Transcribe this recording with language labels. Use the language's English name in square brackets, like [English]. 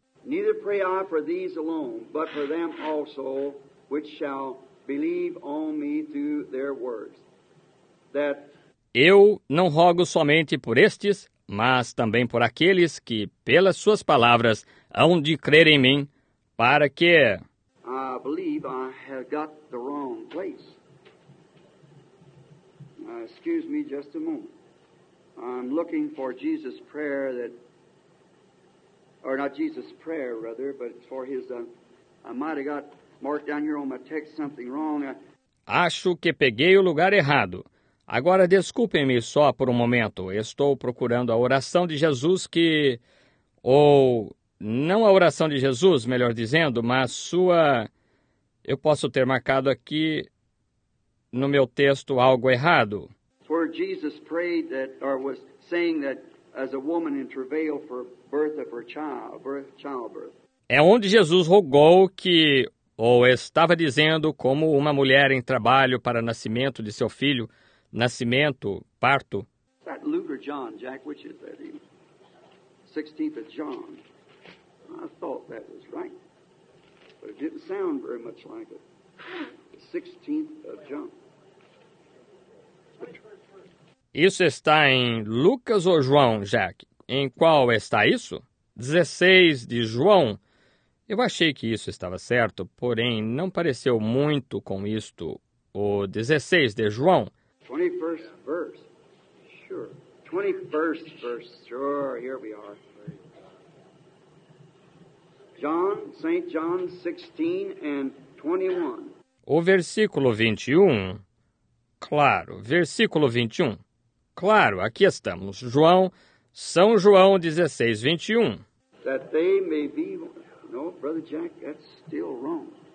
[English] Neither pray I for these alone, but for them also which shall believe on me through their words. That [Portuguese] eu não rogo somente por estes, mas também por aqueles que, pelas suas palavras, hão de crer em mim, para que [English] I believe I have got the wrong place. Excuse me just a moment. I'm looking for Jesus' prayer that or not Jesus' prayer, rather, but it's for his I might have got marked down here on my text something wrong. [Portuguese] Acho que peguei o lugar errado. Agora, desculpem-me só por um momento. Estou procurando a oração de Jesus que... Ou... Não a oração de Jesus, melhor dizendo, mas sua... Eu posso ter marcado aqui no meu texto algo errado. [English] Where Jesus prayed that, or was saying that as a woman in travail for birth of her child, birth, childbirth. [Portuguese] É onde Jesus rogou que... Ou estava dizendo como uma mulher em trabalho para nascimento de seu filho... Nascimento, parto. [English] Is that Luke or John, Jack? Which is that? 16th of John. I thought that was right. But it didn't sound very much like it. The 16th of John. [Portuguese] Isso está em Lucas ou João, Jack? Em qual está isso? 16 de João. Eu achei que isso estava certo, porém não pareceu muito com isto. O 16 de João. [English] 21st verse, sure. 21st verse, sure, here we are. John, St. John 16 and 21. [Portuguese] O versículo 21, claro, versículo 21. Claro, aqui estamos, João, São João 16, 21. [English] That they may be, no, Brother Jack, that's still wrong.